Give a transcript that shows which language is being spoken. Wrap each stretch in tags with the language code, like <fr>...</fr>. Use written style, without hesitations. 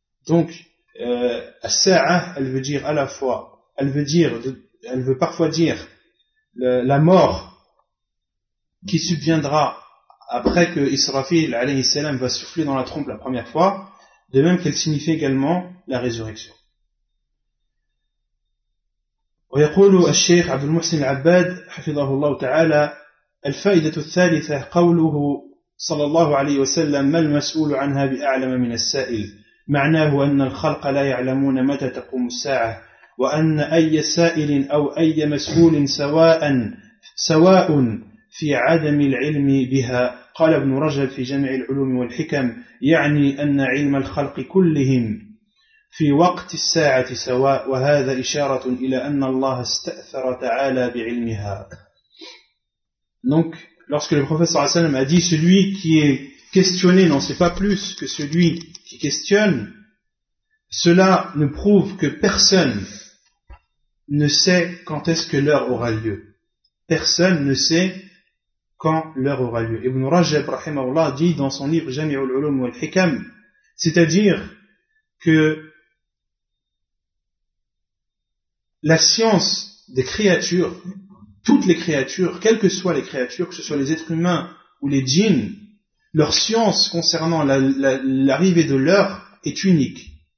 <fr>Donc, « sa'a », elle veut dire à la fois, elle veut parfois dire la mort qui subviendra après que Israfil, alayhi salam, va souffler dans la trompe la première fois, de même qu'elle signifie également la résurrection.</fr> <ar>ويقول الشيخ عبد المحسن العباد حفظه الله تعالى الفائدة الثالثة قوله صلى الله عليه وسلم ما المسؤول عنها بأعلم من السائل معناه أن الخلق لا يعلمون متى تقوم الساعة وأن أي سائل أو أي مسؤول سواء في عدم العلم بها قال ابن رجب في جمع العلوم والحكم يعني أن علم الخلق كلهم في وقت الساعة سواء وهذا إشارة إلى أن الله استأثر تعالى بعلمها.</ar> <fr>Donc, lorsque le prophète</fr> <ar>صلى الله عليه وسلم</ar> <fr>a dit celui qui est questionné n'en sait pas plus que celui qui questionne, cela ne prouve que personne ne sait quand est-ce que l'heure aura lieu. Personne ne sait quand l'heure aura lieu. Ibn Rajab rahimahullah dit dans son livre Jami'ul Ulum wal Hikam, c'est-à-dire que la science des créatures, toutes les créatures, quelles que soient les créatures, que ce soit les êtres humains ou les djinns, leur science concernant l'arrivée de l'heure est unique.</fr>